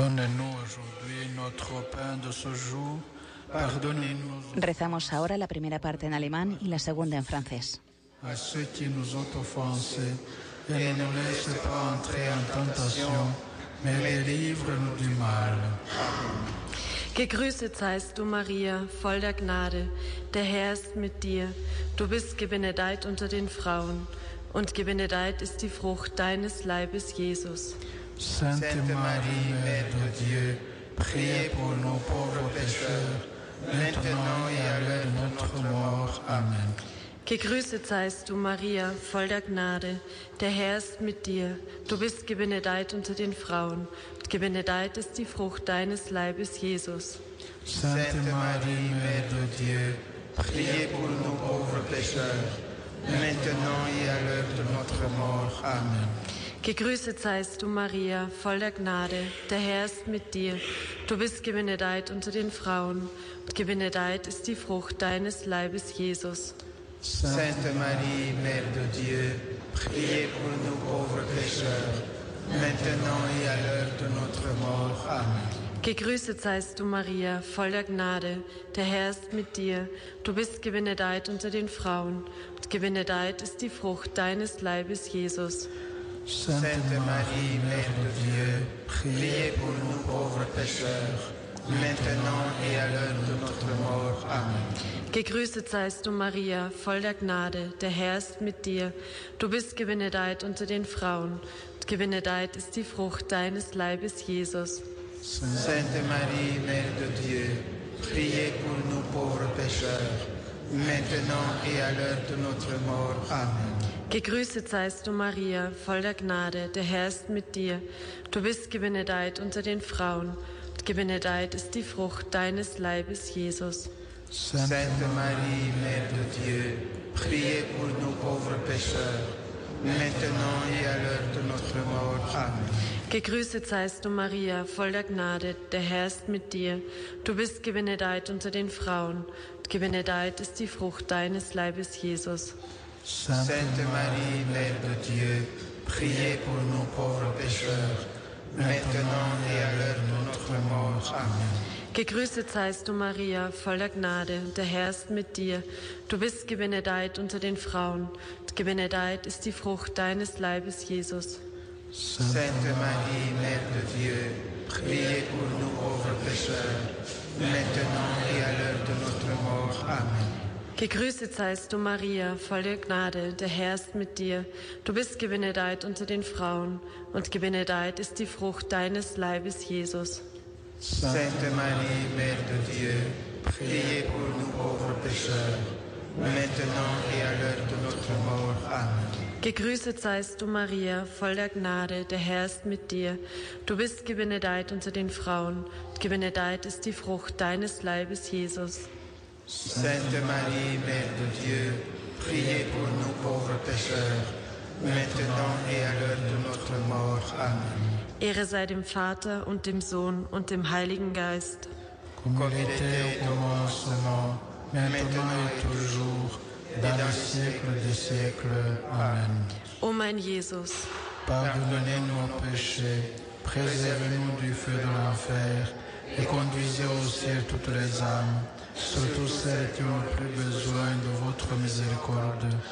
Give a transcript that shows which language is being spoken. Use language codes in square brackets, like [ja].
[fr] Pardonne-nous aujourd'hui notre pain de ce jour. Pardonne-nous. [es] Rezamos ahora la primera parte en alemán y la segunda en francés. [fr] A ceux qui nous ont offensés, et ne nous laisse pas entrer en tentation, mais délivre-nous du mal. [de] Gegrüßet seist du, Maria, voll der Gnade. Der Herr ist mit dir. Du bist gebenedeit unter den Frauen. Und gebenedeit ist die Frucht deines Leibes, Jesus. [fr] Sainte Marie, Mère de Dieu, priez pour nos pauvres pécheurs, maintenant et à l'heure de notre mort. Amen. [de] Gegrüßet seist du, Maria, voll der Gnade. Der Herr ist mit dir. Du bist gebenedeit unter den Frauen. Und gebenedeit ist die Frucht deines Leibes, Jesus. [fr] Sainte Marie, Mère de Dieu, priez pour nos pauvres pécheurs, maintenant et à l'heure de notre mort. Amen. [de] Gegrüßet seist du, Maria, voll der Gnade. Der Herr ist mit dir. Du bist gebenedeit unter den Frauen. Und gebenedeit ist die Frucht deines Leibes, Jesus. [fr] Sainte Marie, Mère de Dieu, priez pour nous pauvres pécheurs, maintenant et à l'heure de notre mort. Amen. [de] Gegrüßet seist du, Maria, voll der Gnade. Der Herr ist mit dir. Du bist gebenedeit unter den Frauen. Und gebenedeit ist die Frucht deines Leibes, Jesus. [fr] Sainte Marie, Mère de Dieu, priez pour nous pauvres pécheurs, maintenant et à l'heure de notre mort. Amen. [de] Gegrüßet seist du, Maria, voll der Gnade, der Herr ist mit dir. Du bist gebenedeit unter den Frauen, und gebenedeit ist die Frucht deines Leibes, Jesus. [fr] Sainte Marie, Mère de Dieu, priez pour nous pauvres pécheurs, maintenant et à l'heure de notre mort. Amen. [de] Gegrüßet seist du, Maria, voll der Gnade, der Herr ist mit dir. Du bist gebenedeit unter den Frauen, und gebenedeit ist die Frucht deines Leibes, Jesus. [fr] Sainte Marie, Mère de Dieu, priez pour nous pauvres pécheurs, maintenant et à l'heure de notre mort. Amen. [de] Gegrüßet seist du, Maria, voll der Gnade, der Herr ist mit dir. Du bist gebenedeit unter den Frauen, und gebenedeit ist die Frucht deines Leibes, Jesus. [fr] Sainte Marie, Mère de Dieu, priez pour nous pauvres pécheurs, maintenant et à l'heure de notre mort. Amen. [de] Gegrüßet seist du, Maria, voll der Gnade, der Herr ist mit dir. Du bist gebenedeit unter den Frauen, und gebenedeit ist die Frucht deines Leibes, Jesus. [fr] Sainte Marie, Mère de Dieu, priez pour nous pauvres pécheurs, maintenant et à l'heure de notre mort. Amen. [de] Gegrüßet seist du, Maria, voll der Gnade, der Herr ist mit dir. Du bist gebenedeit unter den Frauen, und gebenedeit ist die Frucht deines Leibes, Jesus. [fr] Sainte Marie, Mère de Dieu, priez pour nous pauvres pécheurs, maintenant et à l'heure de notre mort. Amen. [de] Gegrüßet seist du, Maria, voll der Gnade, der Herr ist mit dir. Du bist gebenedeit unter den Frauen, und gebenedeit ist die Frucht deines Leibes, Jesus. [fr] Sainte Marie, Mère de Dieu, priez pour nous pauvres pécheurs, maintenant et à l'heure de notre mort. Amen. [de] Ehre sei dem Vater und dem Sohn und dem Heiligen Geist. [fr] Comme il était au commencement, maintenant et toujours, dans les siècles des siècles. Amen. [de] Ô mein Jesus, [fr] pardonnez-nous nos péchés, préservez-nous du feu de l'enfer et conduisez au ciel toutes les âmes, surtout celles qui ont le plus besoin de votre miséricorde.